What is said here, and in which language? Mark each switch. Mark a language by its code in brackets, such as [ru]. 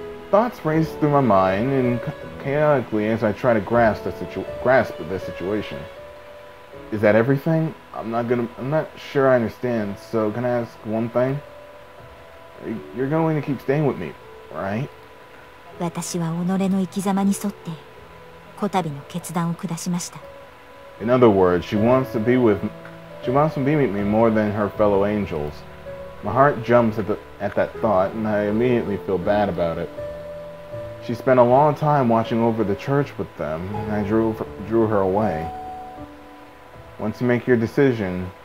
[en] Thoughts race through my mind and chaotically as I try to grasp the situation. Is that everything? I'm not sure I understand, so can I ask one thing? You're going to keep staying with me, right? [ja] 私は己の生き様に沿って、こたびの決断を下しました。 [en] In other words, she wants to be with me more than her fellow angels. My heart jumps at that thought, and I immediately feel bad about it. She spent a long time watching over the church with them, and I drew her away. Once you make your decision,